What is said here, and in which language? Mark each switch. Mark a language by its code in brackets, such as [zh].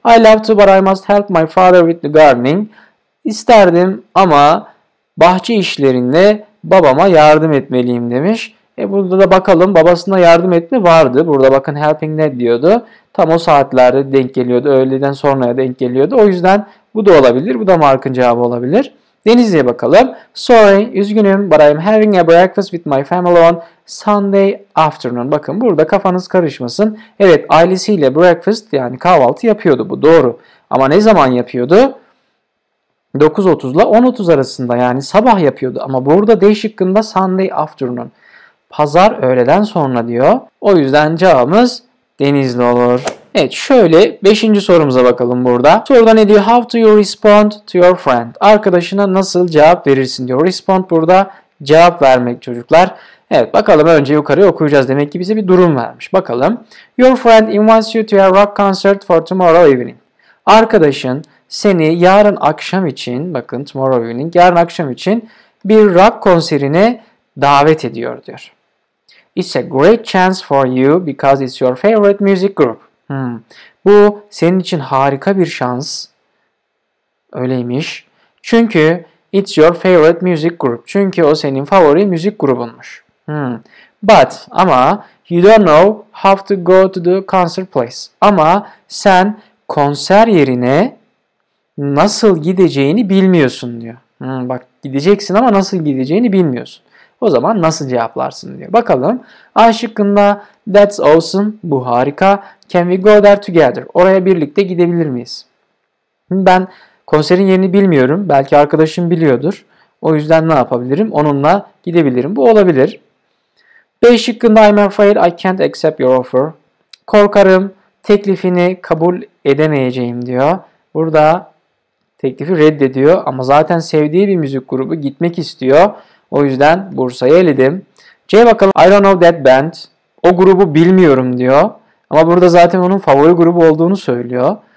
[en] I love to but I must help my father with the gardening. [tr] İsterdim ama bahçe işlerinde babama yardım etmeliyim demiş. E burada da bakalım babasına yardım etme vardı. Burada bakın helping ne diyordu. Tam o saatlerde denk geliyordu. Öğleden sonraya denk geliyordu. O yüzden bu da olabilir. Bu da Mark'ın cevabı olabilir. Denizli'ye bakalım. [en] Sorry, üzgünüm but I'm having a breakfast with my family on Sunday afternoon. [tr] Bakın burada kafanız karışmasın. Evet ailesiyle breakfast yani kahvaltı yapıyordu, bu doğru. Ama ne zaman yapıyordu? 9.30 ile 10.30 arasında, yani sabah yapıyordu. Ama burada D şıkkında [en] Sunday afternoon. [tr] Pazar öğleden sonra diyor. O yüzden cevabımız Denizli olur. Evet şöyle 5. sorumuza bakalım burada. Soruda ne diyor? [en] How do you respond to your friend? [tr] Arkadaşına nasıl cevap verirsin diyor. Respond burada cevap vermek çocuklar. Evet bakalım önce yukarıya okuyacağız. Demek ki bize bir durum vermiş. Bakalım. [en] Your friend invites you to a rock concert for tomorrow evening. [tr] Arkadaşın seni yarın akşam için, bakın [en] tomorrow evening, [tr] yarın akşam için bir rock konserine davet ediyor diyor. [en] It's a great chance for you because it's your favorite music group. [tr] Bu senin için harika bir şans. Öyleymiş. Çünkü [en] it's your favorite music group. [tr] Çünkü o senin favori müzik grubunmuş. But ama [en] You don't know how to go to the concert place. [tr] Ama sen konser yerine nasıl gideceğini bilmiyorsun diyor. Hmm, bak gideceksin ama nasıl gideceğini bilmiyorsun. O zaman nasıl cevaplarsın diyor. Bakalım. [en] A şıkkında that's awesome. [tr] Bu harika. [en] Can we go there together? [tr] Oraya birlikte gidebilir miyiz? Ben konserin yerini bilmiyorum. Belki arkadaşım biliyordur. O yüzden ne yapabilirim? Onunla gidebilirim. Bu olabilir. B şıkkında [en] I'm afraid I can't accept your offer. [tr] Korkarım teklifini kabul edemeyeceğim diyor. Burada teklifi reddediyor ama zaten sevdiği bir müzik grubu gitmek istiyor. O yüzden Bursa'yı eledim. C bakalım [en] I don't know that band. [tr] O grubu bilmiyorum diyor. Ama burada zaten onun favori grubu olduğunu söylüyor.